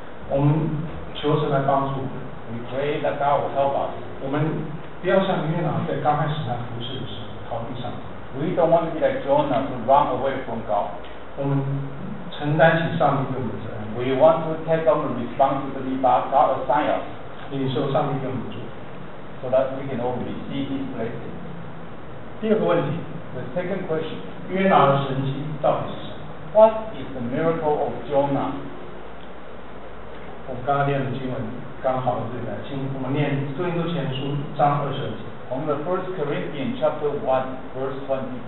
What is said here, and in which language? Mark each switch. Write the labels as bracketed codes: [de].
[zh] 我们求神来帮助我们。 [en] We pray that God will help us. [zh] 我们不要像约拿在刚开始他服事的时候逃避上帝。 [en] We don't want to be like Jonah to run away from God. [zh] 我们承担起上帝给我们的责任。 [en] We want to take on the responsibility that God assigned us. [zh] 领受上帝给我们的祝福。 [en] So that we can all receive His blessing. [zh] 第二个问题。 [en] The second question. [zh] 约拿的神迹到底是什么？ [en] What is the miracle of Jonah? [zh] 我们刚刚念的经文刚好对的，请我们念《哥林多前书》章二十节。 [en] From the First Corinthians chapter 1:22，